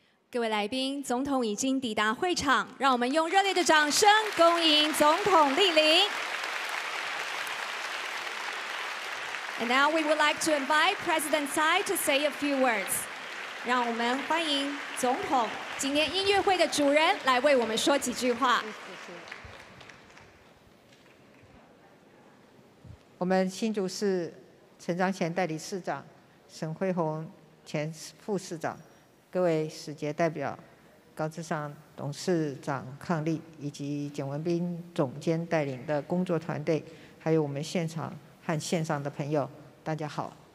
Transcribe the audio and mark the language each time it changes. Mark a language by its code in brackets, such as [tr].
[zh] 各位来宾，总统已经抵达会场，让我们用热烈的掌声恭迎总统莅临。 [en] And now we would like to invite President Tsai to say a few words. [zh] 让我们欢迎总统，今天音乐会的主人来为我们说几句话。我们新竹市陈章乾代理市长、沈慧宏前副市长、各位使节代表、高志尚董事长伉俪以及简文彬总监带领的工作团队，还有我们现场和线上的朋友，大家好。